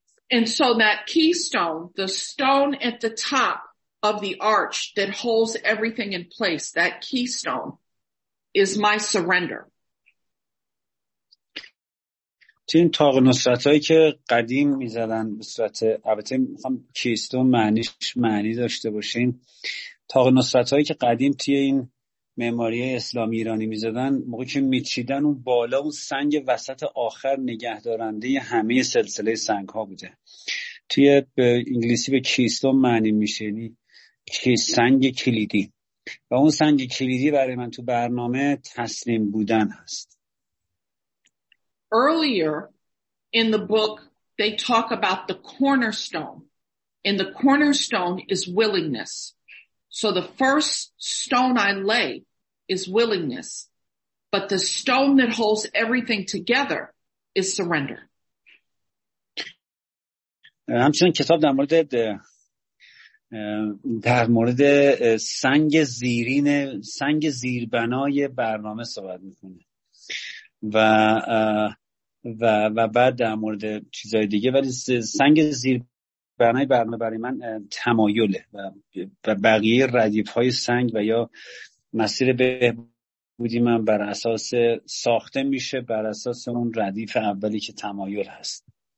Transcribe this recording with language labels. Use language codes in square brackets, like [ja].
[en] And so that keystone, the stone at the top of the arch that holds everything in place, that keystone is my surrender. [fa] این طاق نصرت هایی که قدیم میزدن به صورت البته میخوام کیستون معنی داشته باشین، طاق نصرت هایی که قدیم توی این معماری اسلامی ایرانی میزدن، موقعی که میچیدن اون بالا اون سنگ وسط آخر نگهدارنده همه سلسله سنگ ها بوده. توی انگلیسی به کیستون معنی میشه، یعنی سنگ کلیدی، و اون سنگ کلیدی برای من تو برنامه تسلیم بودن هست. [en] Earlier in the book, they talk about the cornerstone, and the cornerstone is willingness. So the first stone I lay is willingness, but the stone that holds everything together is surrender. [fa] همچنین کتاب در مورد سنگ زیربنای برنامه صحبت میکنه و بعد در مورد چیزهای دیگه، ولی سنگ زیربنای برنامه برای من تمایله و بقیه ردیف‌های سنگ و یا مسیر بهبودی من بر اساس ساخته میشه بر اساس اون ردیف اولی که تمایل هست.